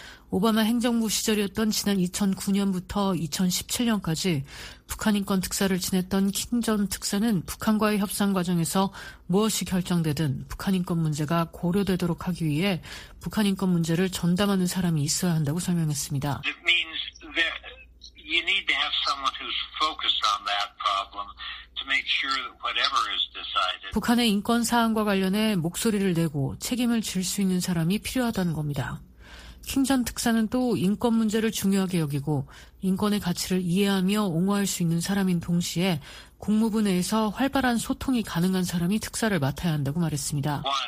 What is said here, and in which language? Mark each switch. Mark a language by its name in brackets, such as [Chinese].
[Korean] 오바마 행정부 시절이었던 지난 2009년부터 2017년까지 북한인권특사를 지냈던 킹 전 특사는 북한과의 협상 과정에서 무엇이 결정되든 북한인권 문제가 고려되도록 하기 위해 북한인권 문제를 전담하는 사람이 있어야 한다고 설명했습니다. [English] It means that you need to have someone who's focused on that problem. [Korean] 북한의 인권 사안과 관련해 목소리를 내고 책임을 질 수 있는 사람이 필요하다는 겁니다. 킹 전 특사는 또 인권 문제를 중요하게 여기고 인권의 가치를 이해하며 옹호할 수 있는 사람인 동시에 국무부 내에서 활발한 소통이 가능한 사람이 특사를 맡아야 한다고 말했습니다.